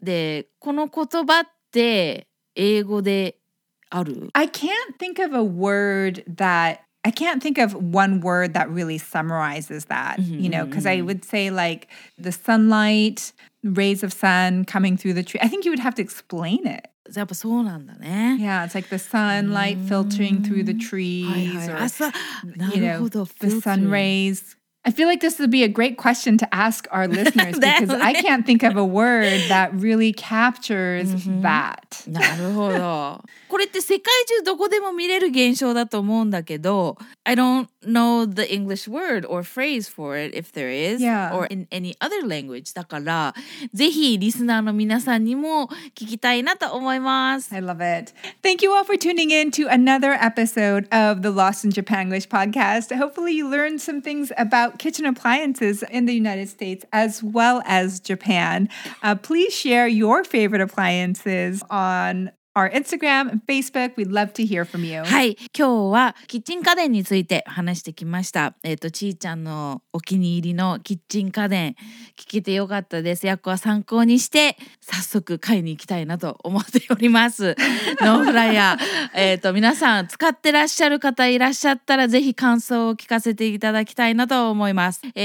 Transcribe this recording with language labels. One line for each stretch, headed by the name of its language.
Japanese: で、この言葉って英語で
English: I can't think of a word that, I can't think of one word that really summarizes that, mm-hmm. you know, because I would say like the sunlight, rays of sun coming through the tree. I think you would have to explain it.
Japanese: やっぱそうなんだね。
English: Yeah, it's like the sunlight filtering through the trees.
Japanese: はいはい。
English: or,
Japanese: なるほど。
English: The sun rays I feel like this would be a great question to ask our listeners because I can't think of a word that really captures that.
Japanese: なるほど。これって世界中どこでも見れる現象だと思うんだけど、
English: I don't know the English word or phrase for it if there is, or in any other language.
Japanese: だから、ぜひリスナーの皆さんにも聞きたいなと思います。
English: I love it. Thank you all for tuning in to another episode of the Lost in Japanglish podcast. Hopefully you learned some things about kitchen appliances in the United States as well as Japan. Please share your favorite appliances on our Instagram and Facebook. We'd love to hear from you.
Japanese: はい、今日はキッチン家電について話してきました。ちーちゃんのお気に入りのキッチン家電聞けてよかったです。やっこは参考にして早速買いに行きたいなと思っております。ノンフライヤー。皆さん使ってらっしゃる方いらっしゃったらぜひ感想を聞かせていただきたいなと思います。